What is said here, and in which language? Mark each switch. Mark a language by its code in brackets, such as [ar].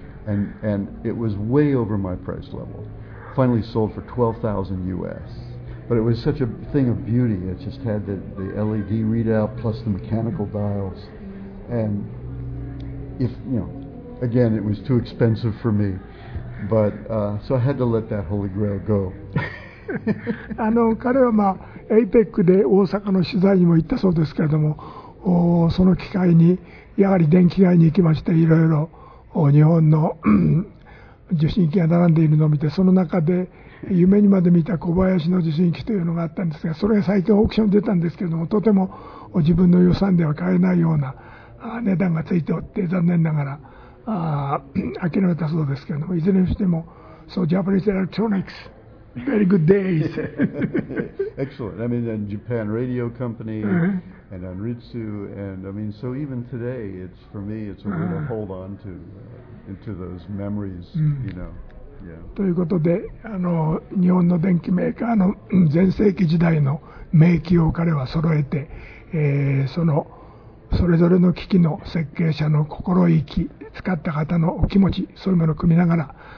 [en] And it was way over my price level. Finally sold for 12,000 US. But it was such a thing of beauty. It just had the LED readout plus the mechanical dials. And if, you know, again, it was too expensive for me. But so I had to let that Holy Grail go. [ja] あの彼はまあ APEC で大阪の取材にも行ったそうですけれども、その機会にやはり電気街に行きまして、いろいろ日本の受信機が並んでいるのを見て、その中で夢にまで見た小林の受信機というのがあったんですが、それが最近オークションに出たんですけれども、とても自分の予算では買えないような値段がついておって、残念ながら諦めたそうですけれども、いずれにしても [en] So Japanese Electronics、very good days. Excellent. I mean, and Japan Radio Company, and Anritsu, and I mean, so even today, it's for me, it's a way to hold on to, into those memories, you know. Yeah. [ja] ということで、あの日本の電機メーカーの全盛期時代の名機を彼は揃えて、そのそれぞれの機器の設計者の心意気、使った方のお気持ち、そういうものを組みながら。